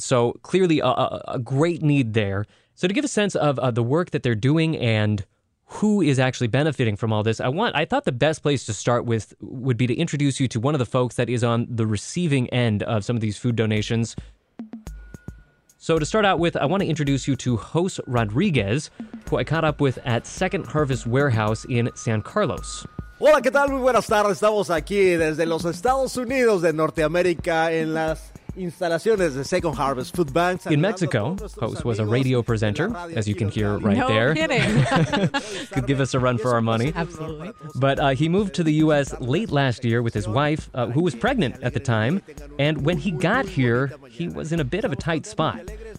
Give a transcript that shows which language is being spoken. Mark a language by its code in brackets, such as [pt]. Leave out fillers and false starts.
[en] So clearly a great need there. So to give a sense of the work that they're doing and who is actually benefiting from all this, I thought the best place to start with would be to introduce you to one of the folks that is on the receiving end of some of these food donations. So to start out with, I want to introduce you to Jose Rodriguez, who I caught up with at Second Harvest Warehouse in San Carlos. [es] Hola, ¿qué tal? Muy buenas tardes. Estamos aquí desde los Estados Unidos de Norteamérica en las instalaciones de Second Harvest Food Bank. [en] In Mexico, Jose was a radio presenter, as you can hear right there. No kidding. Could give us a run for our money. Absolutely. But he moved to the U.S. late last year with his wife, who was pregnant at the time. And when he got here, he was in a bit of a tight spot.